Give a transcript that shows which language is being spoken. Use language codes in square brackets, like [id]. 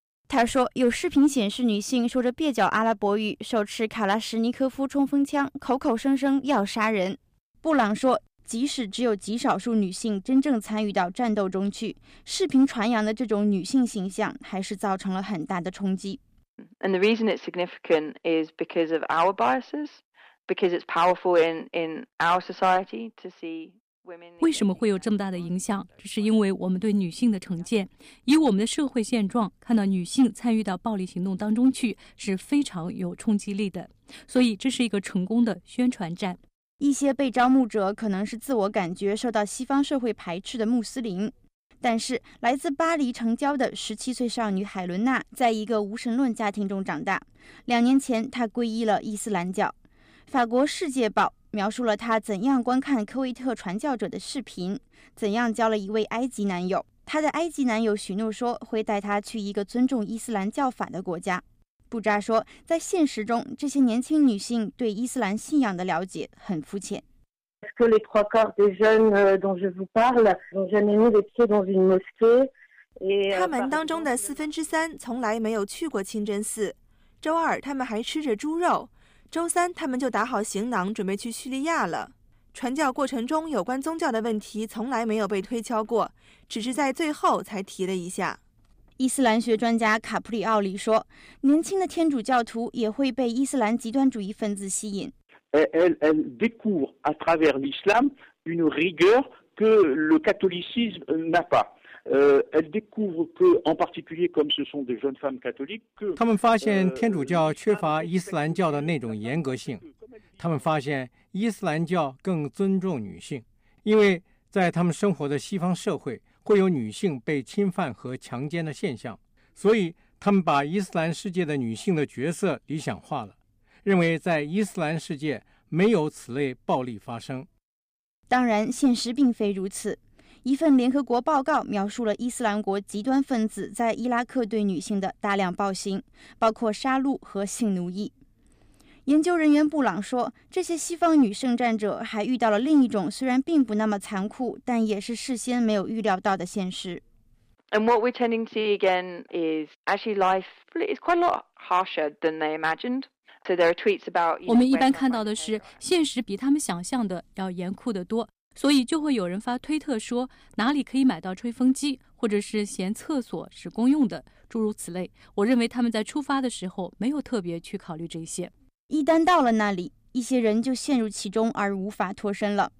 [zh] 他说，有视频显示女性说着蹩脚阿拉伯语，手持卡拉什尼科夫冲锋枪，口口声声要杀人。布朗说，即使只有极少数女性真正参与到战斗中去，视频传扬的这种女性形象还是造成了很大的冲击。 [en] And the reason it's significant is because of our biases, because it's powerful in our society to see。 [zh] 为什么会有这么大的影响？这是因为我们对女性的成见。以我们的社会现状，看到女性参与到暴力行动当中去是非常有冲击力的，所以这是一个成功的宣传战。一些被招募者可能是自我感觉受到西方社会排斥的穆斯林，但是来自巴黎城郊的17岁少女海伦娜在一个无神论家庭中长大，2年前她皈依了伊斯兰教。法国《世界报》描述了他怎样观看科威特传教者的视频，怎样交了一位埃及男友。他的埃及男友许诺说会带他去一个尊重伊斯兰教法的国家。布扎说，在现实中，这些年轻女性对伊斯兰信仰的了解很肤浅。 [fr] Est-ce que les trois quarts des jeunes dont je vous parle n'ont jamais mis les pieds dans une mosquée ? [zh] 他们当中的四分之三从来没有去过清真寺。周二他们还吃着猪肉，周三他们就打好行囊准备去叙利亚了。传教过程中有关宗教的问题从来没有被推敲过，只是在最后才提了一下。伊斯兰学专家卡普里奥里说，年轻的天主教徒也会被伊斯兰极端主义分子吸引。 [fr] Elle découvre à travers l'islam une rigueur que le catholicisme n'a pas. Elle découvre que, en particulier, comme ce sont des jeunes femmes catholiques, [zh] 他们发现天主教缺乏伊斯兰教的那种严格性。他们发现伊斯兰教更尊重女性，因为在他们生活的西方社会会有女性被侵犯和强奸的现象，所以他们把伊斯兰世界的女性的角色理想化了。认为在伊斯兰世界没有此类暴力发生。当然现实并非如此。一份联合国报告描述了伊斯兰国极端分子在伊拉克对女性的大量暴行，包括杀戮和性奴役。研究人员布朗说，这些西方女圣战者还遇到了另一种虽然并不那么残酷，但也是事先没有预料到的现实。 [en] And what we're tending to see again is actually life is quite a lot harsher than they imagined. [zh] 我们一般看到的是现实比他们想象的要严酷得多，所以就会有人发推特说哪里可以买到吹风机，或者是嫌厕所是公用的，诸如此类。我认为他们在出发的时候没有特别去考虑这些。一旦到了那里，一些人就陷入其中而无法脱身了。